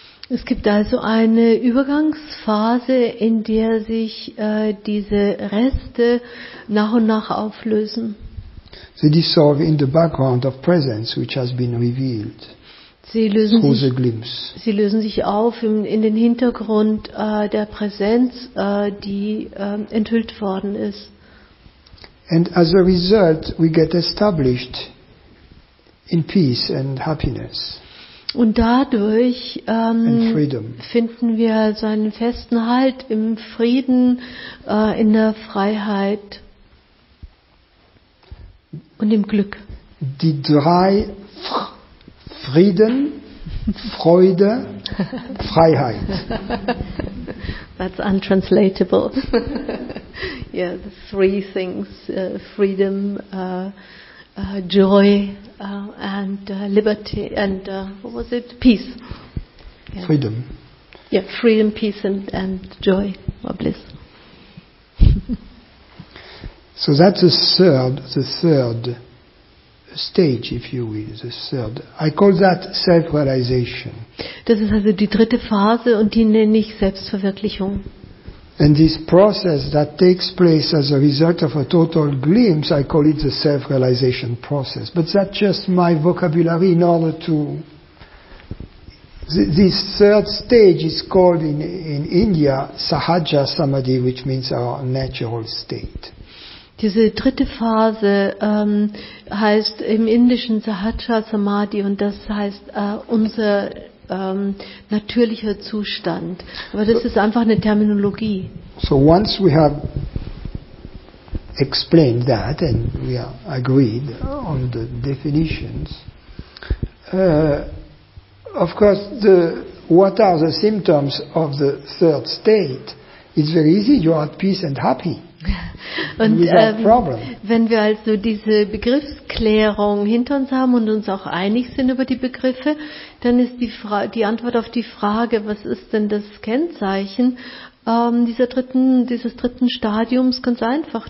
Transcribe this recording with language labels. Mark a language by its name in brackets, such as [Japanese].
[German] Es gibt also eine Übergangsphase, in der sich diese Reste nach und nach auflösen. [English] They dissolve in the background of presence which has been revealed. [German] Sie lösen sich auf in den Hintergrund der Präsenz, die enthüllt worden ist. [English] And as a result, we get established in peace and happiness. [German] Und dadurch finden wir seinen festen Halt im Frieden, in der Freiheit und im Glück. Die drei Frieden, Freude, Freiheit. [English] That's untranslatable. Yeah, the three things, freedom, joy, and liberty, and what was it? Peace. Yeah. Freedom. Yeah, freedom, peace, and joy, or bliss. So that's the third stage, if you will, the third. I call that self-realization. [German] Das ist also die dritte Phase und die nenne ich Selbstverwirklichung. [English] And this process that takes place as a result of a total glimpse, I call it the self-realization process. But that's just my vocabulary in order to... This third stage is called in India Sahaja Samadhi, which means our natural state. [German] Diese dritte Phase heißt im Indischen Sahaja Samadhi und das heißt unser natürlicher Zustand. Aber das ist einfach eine Terminologie. [English] So once we have explained that and we are agreed on the definitions, of course, what are the symptoms of the third state? It's very easy, you are at peace and happy. [German] Und wenn wir also diese Begriffsklärung hinter uns haben und uns auch einig sind über die Begriffe, dann ist die Antwort auf die Frage, was ist denn das Kennzeichen dieses dritten Stadiums, ganz einfach.